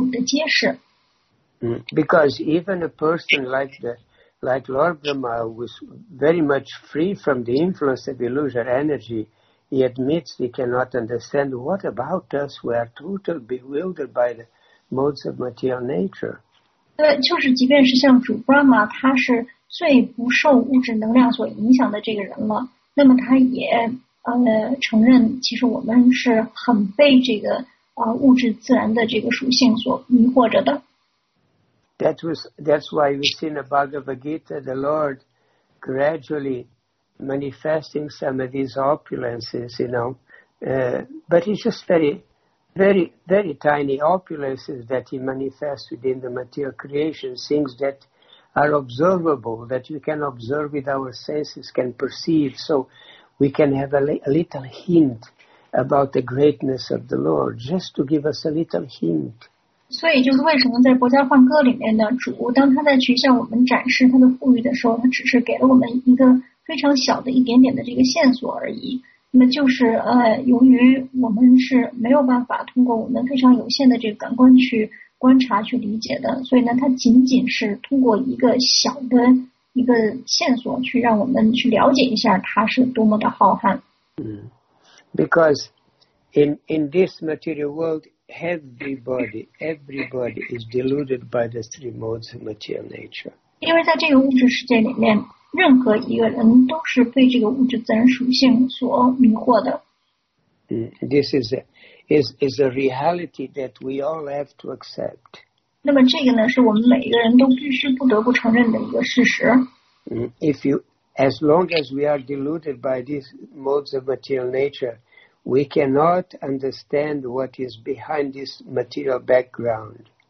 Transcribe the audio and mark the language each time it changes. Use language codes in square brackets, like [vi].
[zh] 那么虽然说我们的这个正确的这个态度呢，就是去了解主，他是不可思议的。那如果我们要是对主有一些这个只言片段的这个理解的话，那也是由于他给我们的揭示。 [en] Because even a person like Lord Brahma, who is very much free from the influence of illusory energy, he admits he cannot understand what about us. We are totally bewildered by the modes of material nature. [zh] 就是即便是像主 Brahma, 他是最不受物质能量所影响的这个人了，那么他也承认其实我们是很被这个物质自然的这个属性所迷惑着的。 [en] That's why we see in the Bhagavad Gita the Lord gradually manifesting some of these opulences, you know. But it's just very, very, very tiny opulences that he manifests within the material creation, things that are observable, that you can observe with our senses, can perceive, so we can have a little hint about the greatness of the Lord, just to give us a little hint. [zh] 所以就是为什么在《博迦梵歌》里面呢，主当他在去向我们展示他的富裕的时候，他只是给了我们一个 非常小的一点点的这个线索而已。那么就是由于我们是没有办法通过我们非常有限的这个感官去观察去理解的，所以呢，它仅仅是通过一个小的一个线索去让我们去了解一下他是多么的浩瀚。 [en] Because in this material world, everybody is deluded by the three modes of material nature. [zh] 因为在这个物质世界里面， 任何一个人都是被这个物质自然属性所迷惑的。 [en] This is a reality that we all have to accept. [zh] 那么这个呢，是我们每一个人都必须不得不承认的一个事实。 [en] If you, as long as we are deluded by these modes of material nature, we cannot understand what is behind this material background.